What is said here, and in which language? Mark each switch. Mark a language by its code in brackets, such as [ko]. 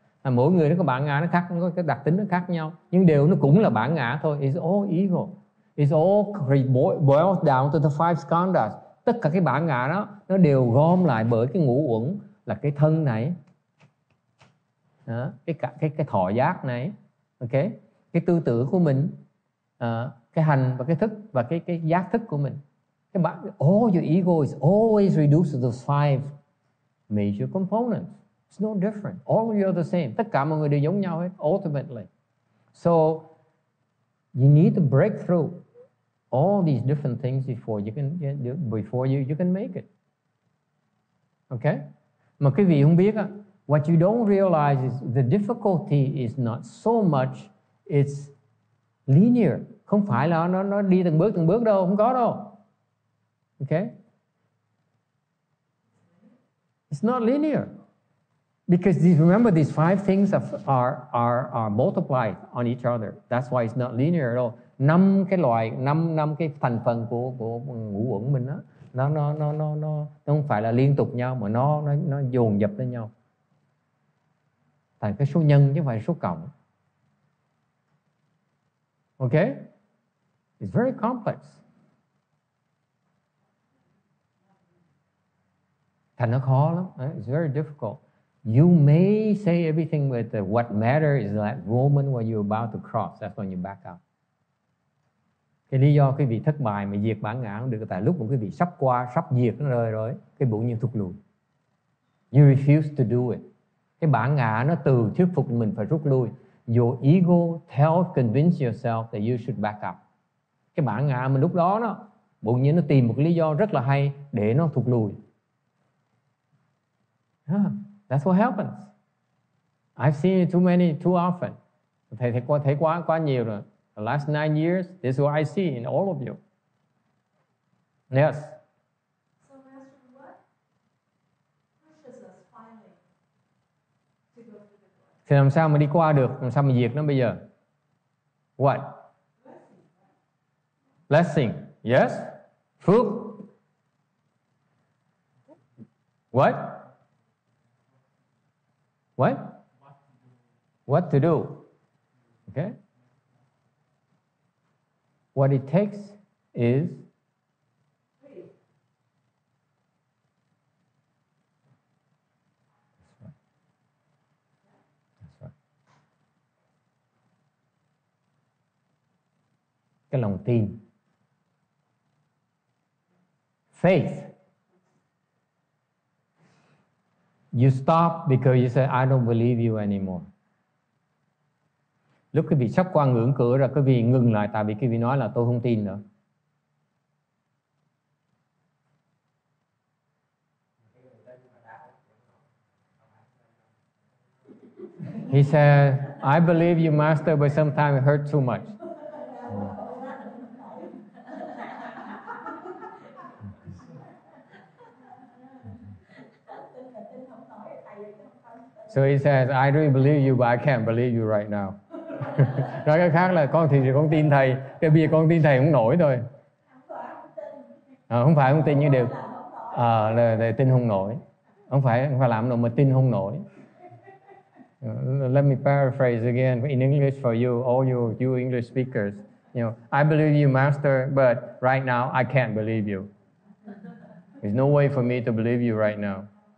[vi] À, mỗi người nó có bản ngã nó khác, nó có cái đặc tính nó khác nhau, nhưng đều nó cũng là bản ngã thôi. [en] It's all ego. It's all boils down to the five skandhas. [vi] Tất cả cái bản ngã đó nó đều gom lại bởi cái ngũ uẩn, là cái thân này, đó, cái thọ giác này, ok, cái tư tưởng của mình, cái hành và cái thức và cái giác thức của mình. Cái bản, [en] all your ego is always reduced to the five major components. It's no different. All of you are the same. [vi] Tất cả mọi người đều giống nhau hết, [en] ultimately. So, you need to break through all these different things before you can make it. Okay? [vi] Mà quý vị không biết á, [en] what you don't realize is the difficulty is not so much, it's linear. [vi] Không phải là nó đi từng bước đâu, không có đâu. [en] Okay? It's not linear. Because these, remember these five things are multiplied on each other. That's why it's not linear at all. [vi] Năm cái loại, năm cái thành phần của ngũ uẩn mình á, nó không phải là liên tục nhau mà nó dồn dập lên nhau. Thành cái số nhân chứ phải số cộng. [en] Okay? It's very complex. [vi] Thành nó khó lắm. [en] It's very difficult. You may say everything, but what matters is that moment when you're about to cross. That's when you back out. [vi] Cái lý do cái vị thất bại mà diệt bản ngã không được, tại lúc mà cái vị sắp qua, sắp diệt nó rồi rồi, cái bỗng nhiên thụt lùi. [en] You refuse to do it. [vi] Cái bản ngã nó từ thuyết phục mình phải rút lui. [en] Your ego tells, convince yourself that you should back up. [vi] Cái bản ngã mà lúc đó nó bỗng nhiên nó tìm một lý do rất là hay để nó thụt lùi. [en] That's what happens. I've seen it too often. [vi] Thấy quá nhiều rồi. [en] The last 9 years, this is what I see in all of you. Yes. So, Master, what pushes us finally to go through the door? [vi] Thì làm sao mà đi qua được? Làm sao mà diệt nó bây giờ? [en] What? Blessing. Yes. [vi] Phước. [en] What? What to do? Okay. What it takes is faith. [vi] cái lòng tin. [en] Faith. You stop because you say, I don't believe you anymore. [vi] Lúc quý vị sắp qua ngưỡng cửa rồi, quý vị ngừng lại tại vì quý vị nói là tôi không tin nữa. [en] He said, I believe you, Master, but sometimes it hurts too much. So he says, I really believe you, but I can't believe you right now. [vi] Nói cái khác là con thì con tin thầy, cái bây giờ con tin thầy không nổi thôi. À, không phải không tin như điều, à, là tin không nổi. Không phải làm đâu mà tin không nổi. [en] Let me paraphrase again in English for you, all you English speakers. You know, I believe you, Master, but right now I can't believe you. There's no way for me to believe you right now.